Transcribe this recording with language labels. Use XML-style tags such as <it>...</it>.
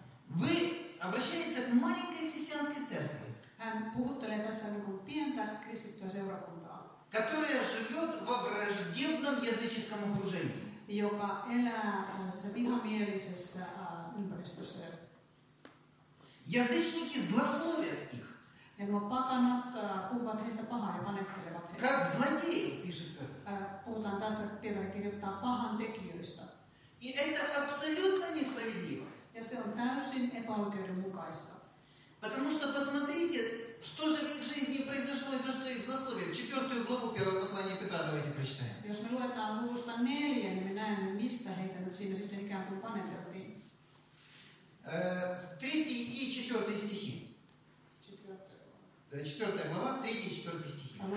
<ru>Вы обращаетесь к маленькой христианской церкви.</ru> <fi>Hän puhuttelee tässä niin kuin pientä kristittyä seurakuntaa.</fi> <ru>Которая живет во враждебном языческом окружении.</ru> <fi>Joka elää tällaisessa vihamielisessä ympäristössä.</fi> <ru>Язычники злословят их.</ru> <fi>Ja nuo pakanat puhuvat heistä pahaa ja panettelevat heitä.</fi> <ru>Как злодеи, пишет Петр.</ru> <fi>Puhutaan tässä, Pietari kirjoittaa pahan tekijöistä.</fi> <ru>И это абсолютно несправедливо.</ru> <fi>Ja se on täysin epäoikeudenmukaista.</fi> <ru>Потому что посмотрите, что же в их жизни произошло и за что их злословили? Четвертую главу первого послания Петра давайте прочитаем.</ru> <fi>Jos me luetaan luvusta 4, niin me näemme, mistä heitä nyt siinä sitten ikään kuin paneteltiin.</fi> <ru>Третий и четвертый стихи. Четвертая глава, третий и четвертый стихи.</ru>